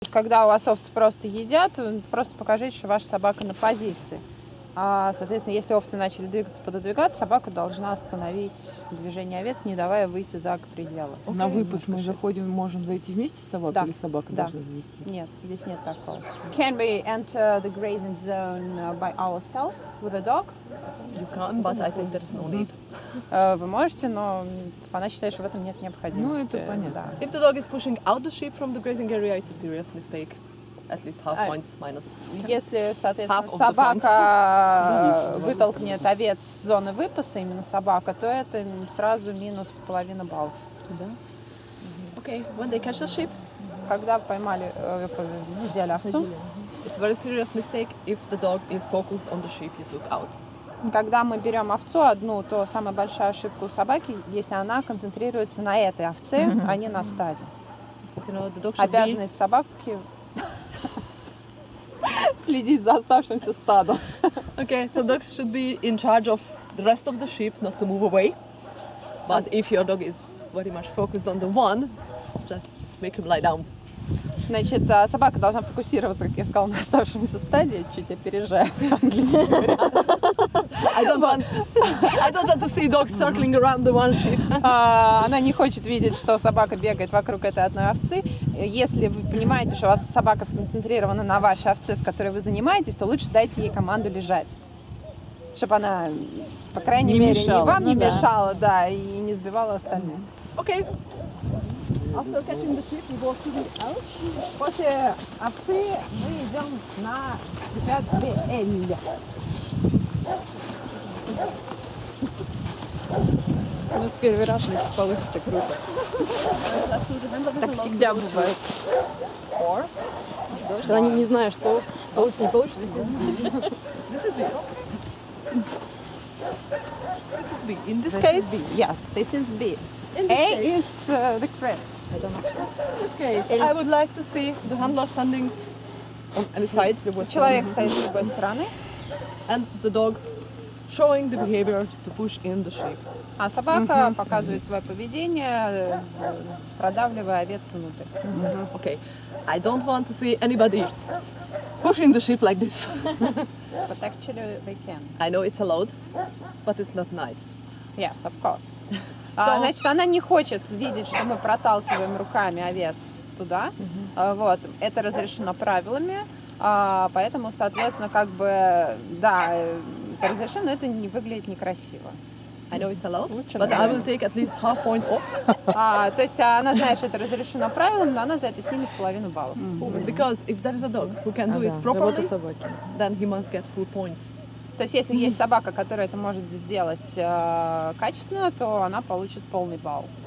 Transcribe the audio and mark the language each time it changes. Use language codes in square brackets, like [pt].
[ru] уж когда у вас овцы просто едят, просто покажите, что ваша собака на позиции. А, соответственно, если овцы начали двигаться, пододвигаться, собака должна остановить движение овец, не давая выйти за пределы. Окей, на выпуск мы заходим, можем зайти вместе с собакой, да, или собака, да, должна завести? Нет, здесь нет такого. [en] Can we enter the grazing zone by ourselves with a dog? You can, but I think there's no need. [ru] Вы можете, но она считает, что в этом нет необходимости. Ну, это понятно. Да. [en] If the dog is pushing out the sheep from the grazing area, it's a serious mistake. At least half points minus. [ru] Если, соответственно, собака вытолкнет овец с зоны выпаса, именно собака, то это сразу минус половина баллов. Да? [en] Okay. When they catch the sheep? [ru] Когда поймали, взяли овцу. [en] It's a very serious mistake if the dog is focused on the sheep you took out. [ru] Когда мы берем овцу одну, то самая большая ошибка у собаки, если она концентрируется на этой овце, а не на стаде. Обязанность собаки следить за оставшимся стадом. [en] Okay, so dogs should be in charge of the rest of the sheep, not to move away. But if your dog is very much focused on the one, just make him lie down. [ru] Значит, собака должна фокусироваться, как я сказала, на оставшемся стаде. Чуть опережаю. [en] I don't want to see dogs circling around the one sheep. [ru] Она не хочет видеть, что собака бегает вокруг этой одной овцы. Если вы понимаете, что у вас собака сконцентрирована на вашей овце, с которой вы занимаетесь, то лучше дайте ей команду лежать, чтобы она, по крайней не мере, мешала. И вам, ну, не, да, мешала, да, и не сбивала остальные. Окей. [en] After catching the sheep, we go to the elk. [ru] После овцы мы идем на пятый эль. Ну, в первый раз не получится круто. Так всегда бывает. Когда они не знают, что получится, не получится. [en] This is B. This is B. In this case? This is B. Yes, this is B. A is the crest. In this case, I would like to see the handler standing on any side. [ru] Человек стоит с другой стороны. [en] And the dog showing the behavior to push in the sheep. [ru] А собака показывает свое поведение, продавливая овец внутрь. [en] Okay, I don't want to see anybody pushing the sheep like this. But actually, they can. I know it's allowed, but it's not nice. Yes, of course. [ru] Значит, она не хочет видеть, что мы проталкиваем руками овец туда. Вот. Это разрешено правилами. Поэтому, соответственно, как бы, да, это разрешено, но это не выглядит некрасиво. [en] I know it's allowed, [ru] лучше, [en] but [ru] наверное. [en] I will take at least half point off. [ru] То есть она знает, что это разрешено правилами, но она за это снимет половину баллов. [en] Because if there is a dog who can do it properly, then he must get full points. [ru] То есть, если есть собака, которая это может сделать качественно, то она получит полный балл.